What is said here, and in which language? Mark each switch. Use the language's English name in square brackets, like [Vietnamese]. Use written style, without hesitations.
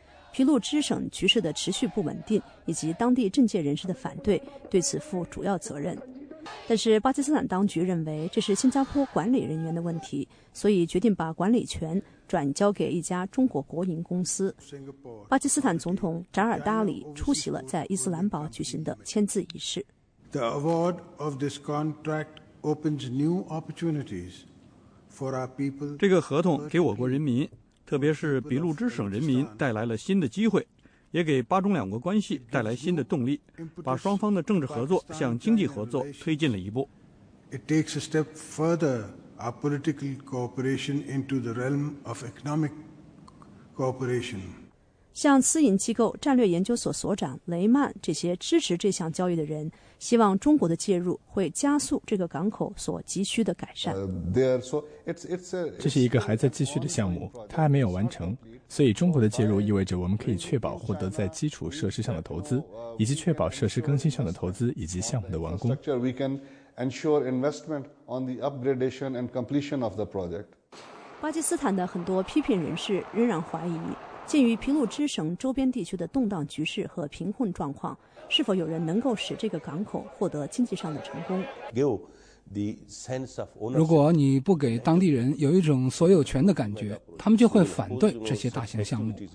[Chinese] 俾路支省局势的持续不稳定以及当地政界人士的反对对此负主要责任，但是巴基斯坦当局认为这是新加坡管理人员的问题，所以决定把管理权转交给一家中国国营公司。巴基斯坦总统扎尔达里出席了在伊斯兰堡举行的签字仪式。 [English] The award of this contract opens new opportunities for our people. [Chinese] 这个合同给我国人民，特别是俾路支省人民带来了新的机会，也给巴中两国关系带来新的动力，把双方的政治合作向经济合作推进了一步。 [English] It takes a step further our political cooperation into the realm of economic cooperation. [Chinese] 像私营机构战略研究所所长雷曼这些支持这项交易的人，希望中国的介入会加速这个港口所急需的改善。这是一个还在继续的项目，它还没有完成，所以中国的介入意味着我们可以确保获得在基础设施上的投资，以及确保设施更新上的投资以及项目的完工。 [English] We can ensure investment on the upgradation and completion of the project. [Chinese] 巴基斯坦的很多批评人士仍然怀疑，鉴于俾路支省周边地区的动荡局势和贫困状况，是否有人能够使这个港口获得经济上的成功。如果你不给当地人有一种所有权的感觉，他们就会反对这些大型项目。